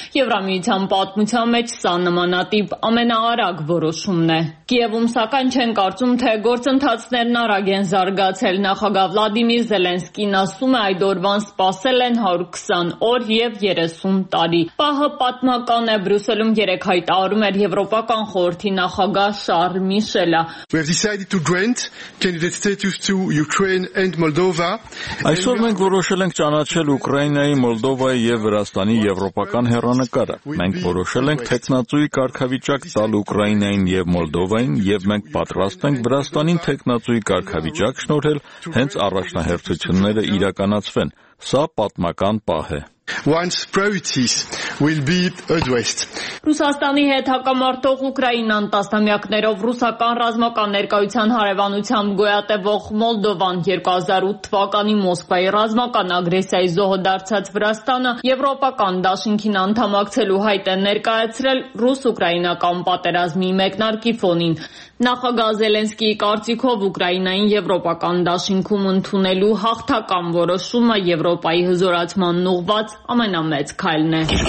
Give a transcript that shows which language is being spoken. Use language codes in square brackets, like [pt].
[hy] Եվրամիության պատմության մեջ սա նմանատիպ ամենաարագ որոշումն է։ Կիևում սակայն չեն կարծում, թե գործընթացներն արագ են զարգացել։ Նախագահ Վլադիմիր Զելենսկին ասում է, այդ օրվան սպասել են 120 օր և 30 տարի։ Պահը պատմական է, Բրյուսելում 3 հայտարարում էր Եվրոպական խորհրդի նախագահ Շարլ Միշելը։ [en] We decided to grant candidate status to Ukraine and Moldova. [hy] Այսօր մենք որոշել ենք ճանաչել Ուկրաինայի, Մոլդովայի և Վրաստանի եվրոպական հեռանկարը։ Մենք որոշել ենք թեկնածուի կարգավիճակ տալ Ուկրաինային և Մոլդովային, և մենք պատրաստ ենք Վրաստանին թեկնածուի կարգավիճակ շնորհել, հենց առաջնահերթությունները իրականացվեն։ Սա պատմական պահ է։ [en] Once priorities will be addressed. [hy] Ռուսաստանի հետ հակամարտող Ուկրաինան տասնամյակներով ռուսական ռազմական ներկայության հարևանությամբ գոյատևող Մոլդովան 2008 թվականի Մոսկվայի ռազմական ագրեսիայի զոհը դարձած Վրաստանը Եվրոպական Դաշինքին անդամակցելու հայտ է ներկայացրել ռուս-ուկրաինական պատերազմի մեկնարկի ֆոնին։ Նախագահ Զելենսկիի կարծիքով Ուկրաինային Եվրոպական Դաշինքում ընդունելու հաղթական որոշումը Եվրոպայի հզորացման ուղված ամենամեծ քայլն է։